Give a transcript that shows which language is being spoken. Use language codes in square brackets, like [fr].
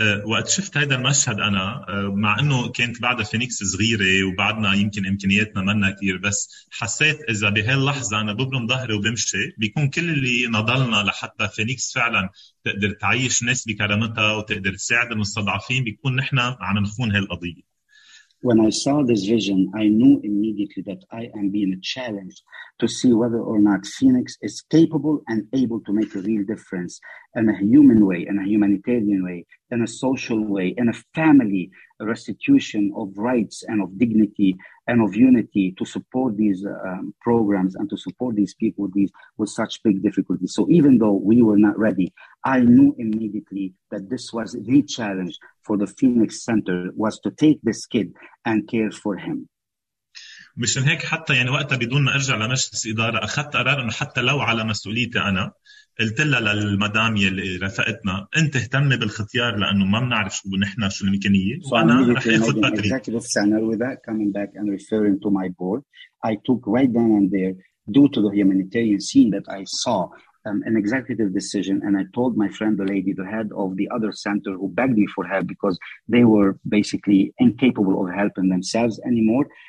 [ar] وقت شفت هذا المشهد أنا مع أنه كانت بعدها فينيكس صغيرة وبعدنا يمكن إمكانياتنا منها كتير بس حسيت إذا بهاللحظة أنا ببرم ظهري وبمشي بيكون كل اللي نضلنا لحتى فينيكس فعلا تقدر تعيش ناس بكرامتها وتقدر تساعد المستضعفين بيكون نحنا عم نخون هالقضية [en] When I saw this vision, I knew immediately that I am being challenged to see whether or not Phoenix is capable and able to make a real difference in a human way, in a humanitarian way, in a social way, in a family restitution of rights and of dignity and of unity to support these programs and to support these people with such big difficulties. So even though we were not ready, I knew immediately that this was the challenge for the Phoenix Center was to take this kid and care for him. [ar] مشان هيك حتى يعني وقتها بدون ما ارجع لمجلس اداره اخذت قرار انه حتى لو على مسؤوليتي انا قلت لها للمدام يلي رفقتنا انت اهتمي بالختيار لانه ما بنعرف شو نحن شو الامكانيه وانا رح اخذ باتري. [en] Executive center without coming back and referring to my board, I took right then and there due to the humanitarian scene that I saw an executive decision and I told my friend the lady, the head of the other center who begged me for help because they were basically incapable of helping themselves anymore.